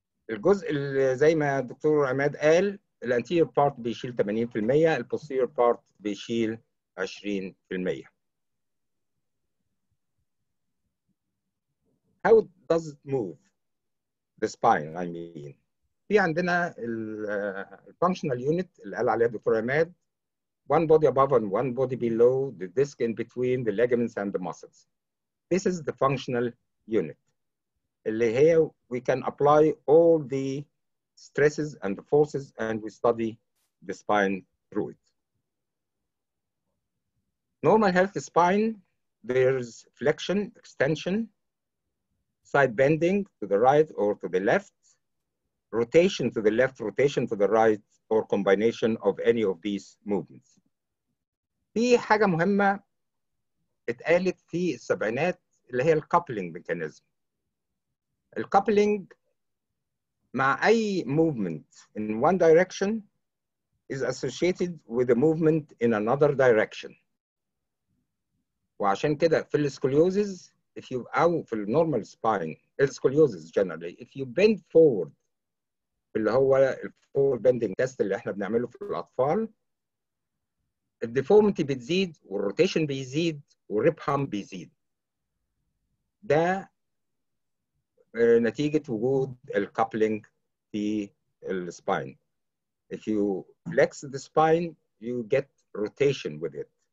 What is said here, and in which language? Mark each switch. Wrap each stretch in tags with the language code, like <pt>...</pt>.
<ar>الجزء اللي زي ما الدكتور عماد قال الانتيرير بارت بيشيل 80% البوستيرير بارت بيشيل 20%.</ar> <en>How does it move the spine I mean?</en> <ar>في عندنا الفانكشنال يونت اللي قال عليها الدكتور عماد</ar> <en>one body above and one body below the disc in between the ligaments and the muscles. This is the functional unit.</en> <ar>اللي هي</ar> <en>we can apply all the stresses and the forces and we study the spine through it. Normal healthy spine, there's flexion, extension, side bending to the right or to the left, rotation to the left, rotation to the right, or combination of any of these movements.</en> <ar>في حاجة مهمة اتقالت في السبعينات اللي هي الكابلينج ميكانيزم. الكابلينج مع أي</ar> <en>movement in one direction is associated with a movement in another direction.</en> <ar>وعشان كده في السكوليوزيز</ar> <en>if you</en> <ar>أو في النورمال سباين السكوليوزيز</ar> <en>generally if you bend forward</en> <ar>اللي هو الفور بندنج تيست اللي احنا بنعمله في الأطفال الديفورمتي بتزيد والروتيشن بيزيد والريب هام بيزيد. ده نتيجة وجود الكابلينج في السباين.</ar> <en>If you flex the spine you get rotation with it.</en>